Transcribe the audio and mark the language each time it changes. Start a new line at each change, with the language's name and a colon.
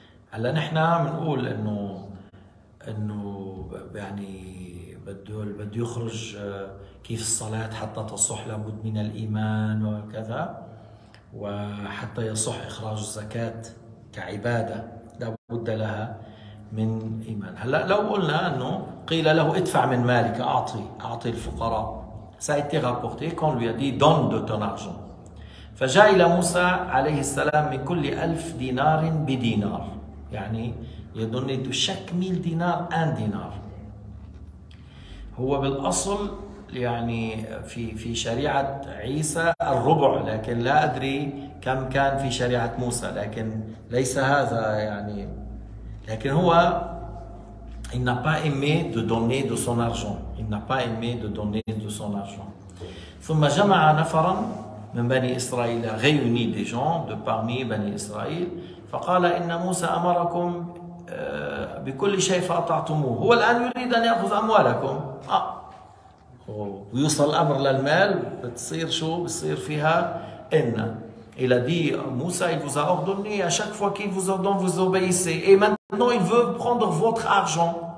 Arabic: هلا نحن بنقول إنه يعني بده يخرج كيف الصلاة حتى تصح لابد من الإيمان وكذا وحتى يصح إخراج الزكاة كعبادة لابد لها من إيمان. هلا لو قلنا إنه قيل له ادفع من مالك أعطي الفقراء.
French: Ça a été rapporté qu'on lui a dit « Donne de ton argent.
Arabic: » فَجَا إِلَى مُوسَى عَلَيْهِ السَّلَامِ مِنْ كُلِّ أَلْفِ دِنَارٍ بِدِنَارٍ. يعني يدني
French: de chaque mille dinar un dinar.
Arabic: هو بالأصل يعني في شريعة عيسى الربع لكن لا أدري كم كان في شريعة موسى لكن ليس هذا يعني لكن هو
French: Il n'a pas aimé de donner de son argent. Il n'a pas aimé de donner de son argent.
Arabic: ثم جمع نفرا من بني إسرائيل
French: réuni des gens de parmi
Arabic: بني إسرائيل فقال إن موسى أمركم بكل شيء فأطعتموه هو الآن يريد أن يأخذ أموالكم ويوصل الأمر للمال بتصير شو بتصير فيها إن
French: Il a dit, Moussa, il vous a ordonné, à chaque fois qu'il vous ordonne, vous obéissez. Et maintenant, il veut prendre votre argent.